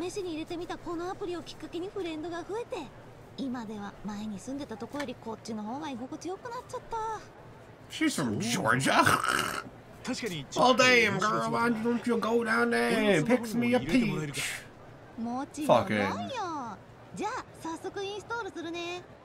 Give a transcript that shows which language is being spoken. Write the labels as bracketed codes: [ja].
[ja] 試しに入れてみたこのアプリをきっかけにフレンドが増えて、今では前に住んでたとこよりこっちの方が居心地良くなっちゃった。 [en] She's from Georgia. All damn, girl, why don't you go down there and pick me a peach? Fuck it. [ja] じゃあ早速インストールするね。